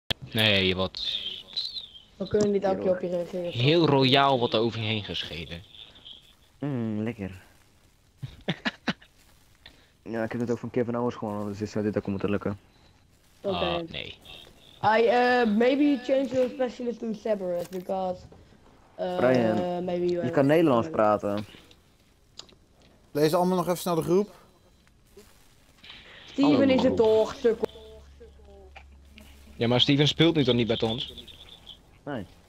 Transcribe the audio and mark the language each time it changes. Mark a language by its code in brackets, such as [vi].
[nl] Nee, wat... We kunnen niet elke keer op je reageren. Heel royaal wat er overheen gescheiden. Lekker. Ja, ik heb het ook van Kevin Owens gewonnen, dus zou dit ook moeten lukken. Oké. [en] Maybe you change your specialist to Severus, because... Brian, maybe [nl] je kan Nederlands praten. Lees allemaal nog even snel de groep. Steven is het toch, sukkel. Ja, maar Steven speelt nu toch niet met ons? Nee.